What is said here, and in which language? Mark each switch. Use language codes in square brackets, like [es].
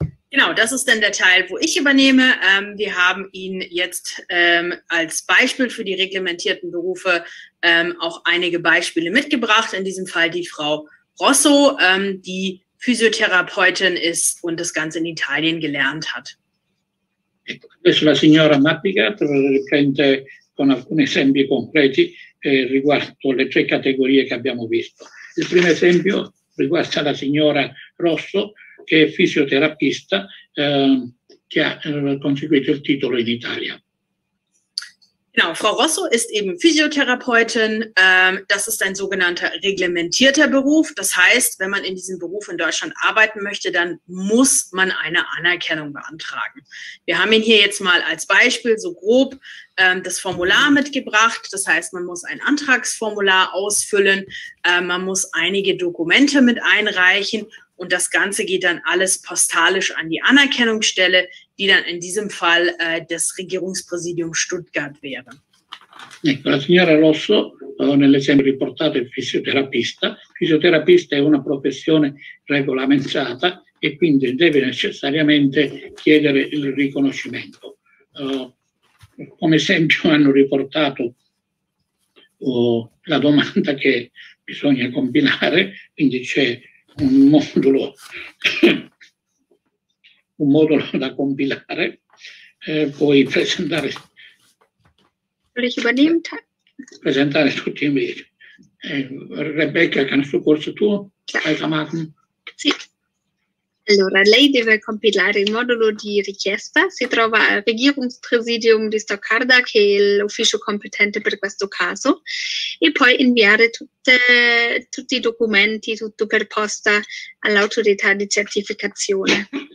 [de] Genau, das ist dann der Teil, wo ich übernehme. Wir haben Ihnen jetzt als Beispiel für die reglementierten Berufe auch einige Beispiele mitgebracht. In diesem Fall die Frau Rosso, die Physiotherapeutin ist und das Ganze in Italien gelernt hat. [it] Adesso la signora Mattiga riprende con alcuni esempi concreti riguardo le tre categorie che abbiamo visto. Il primo esempio riguarda la signora Rosso, che è fisioterapista, che ha conseguito il titolo in Italia. [de] Genau, Frau Rosso ist eben Physiotherapeutin. Das ist ein sogenannter reglementierter Beruf. Das heißt, wenn man in diesem Beruf in Deutschland arbeiten möchte, dann muss man eine Anerkennung beantragen. Wir haben ihn hier jetzt mal als Beispiel so grob das Formular mitgebracht. Das heißt, man muss ein Antragsformular ausfüllen. Man muss einige Dokumente mit einreichen. Und das Ganze geht dann alles postalisch an die Anerkennungsstelle, die dann in diesem Fall das Regierungspräsidium Stuttgart wäre. [it] Ecco, la signora Rosso, nell'esempio riportato, è fisioterapista. Fisioterapista è una professione regolamentata e quindi deve necessariamente chiedere il riconoscimento. Come esempio hanno riportato la domanda che bisogna compilare, quindi c'è un modulo da compilare, puoi presentare. Presentare tutti i miei. [de] Rebecca, kannst du kurz tu? [it] Sì. Allora, lei deve compilare il modulo di richiesta. Si trova al Regierungspräsidium di Stoccarda, che è l'ufficio competente per questo caso, e poi inviare tutti i documenti, tutto per posta, all'autorità di certificazione.